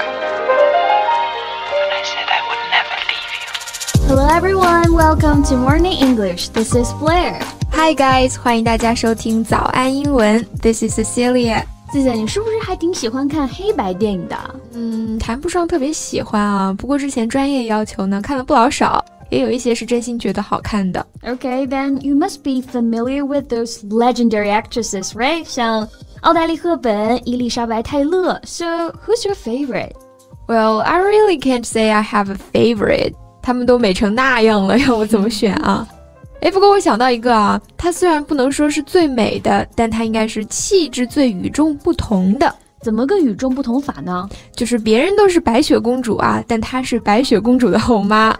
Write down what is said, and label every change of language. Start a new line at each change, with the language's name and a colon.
English: And I said I would never leave you. Hello, everyone. Welcome to Morning English. This is Blair. Hi, guys.
Chinese: 欢迎大家收听早安英文。
English: This is Cecilia.
Chinese: 姐姐，你是不是还挺喜欢看黑白电影的？嗯，谈不上特别喜欢啊，不过之前专业要求呢，看了不老少，也有一些是真心觉得好看的。
English: Okay, then you must be familiar with those legendary actresses, right? 像奥黛丽·赫本、伊丽莎白·泰勒。So, who's your favorite? Well, I really can't say I have a favorite.
Chinese: 他们都美成那样了，要我怎么选啊？哎，不过我想到一个啊，她虽然不能说是最美的，但她应该是气质最与众不同的。怎么个与众不同法呢？就是别人都是白雪公主啊，但她是白雪公主的后妈。